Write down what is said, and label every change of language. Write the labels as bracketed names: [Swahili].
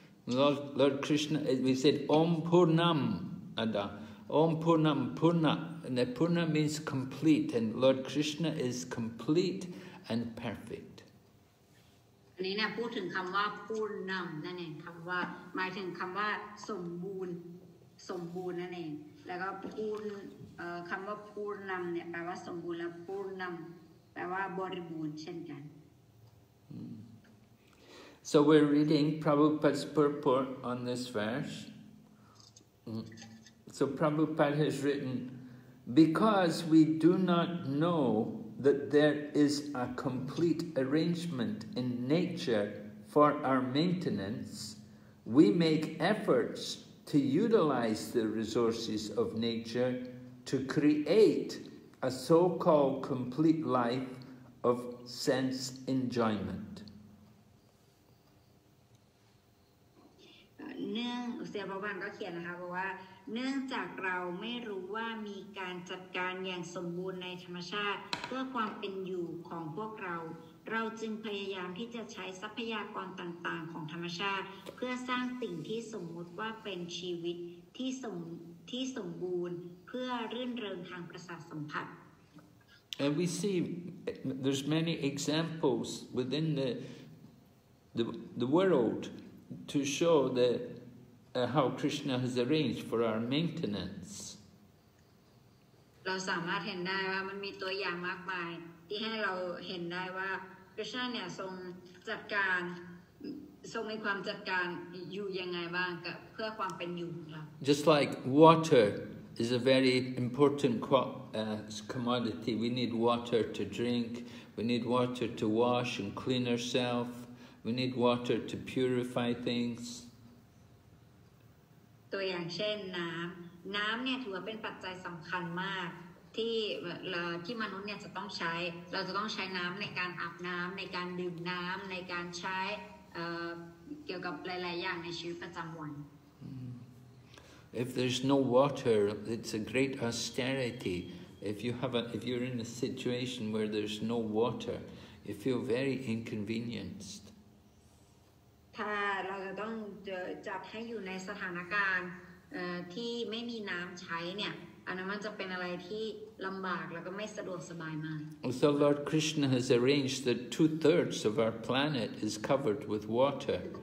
[English] Lord Krishna, we said Om Purnam Ada, Om Purnam Purna, and the Purna means complete, and Lord Krishna is complete and perfect. [Thai] อันนี้เนี่ยพูดถึงคำว่าพูดนำนั่นเองคำว่าหมายถึงคำว่าสมบูรณ์นั่นเองแล้วก็พูดคำว่าพูดนำเนี่ยแปลว่าสมบูรณ์และพูดนำแปลว่าบริบูรณ์เช่นกัน [English] So we're reading Prabhupada's purport on this verse. So Prabhupada has written, because we do not know. That there is a complete arrangement in nature for our maintenance, we make efforts to utilize the resources of nature to create a so-called complete life of sense enjoyment. [Thai] เนื่องเสียพระบาลก็เขียนนะคะว่าเนื่องจากเราไม่รู้ว่ามีการจัดการอย่างสมบูรณ์ในธรรมชาติเพื่อความเป็นอยู่ของพวกเราเราจึงพยายามที่จะใช้ทรัพยากรต่างๆของธรรมชาติเพื่อสร้างสิ่งที่สมมติว่าเป็นชีวิตที่สมบูรณ์เพื่อรื่นเริงทางประสาทสัมผัส [English] And we see there's many examples within the world to show thatHow Krishna has arranged for our maintenance. [Thai] เราสามารถเห็นได้ว่ามันมีตัวอย่างมากมายที่ให้เราเห็นได้ว่า Krishna เนี่ยทรงจัดการทรงมีความจัดการอยู่ยังไงบ้างกับเพื่อความเป็นอยู่ของเรา [English] Just like water is a very important commodity. We need water to drink. We need water to wash and clean ourselves. We need water to purify things. [Thai] ตัวอย่างเช่นน้ำเนี่ยถือว่าเป็นปัจจัยสำคัญมากที่มนุษย์เนี่ยจะต้องใช้เราจะต้องใช้น้ำในการอาบน้ำในการดื่มน้ำในการใช้เกี่ยวกับหลายๆอย่างในชีวิตประจำวัน [English] If there's no water, it's a great austerity. If you're in a situation where there's no water, you feel very inconvenienced. [Thai] ถ้าเราจะต้องจัดให้อยู่ในสถานการณ์ที่ไม่มีน้ำใช้เนี่ยอันนั้นมันจะเป็นอะไรที่ลำบากแล้วก็ไม่สะดวกสบายมาก [English] So Lord Krishna has arranged that 2/3 of our planet is covered with water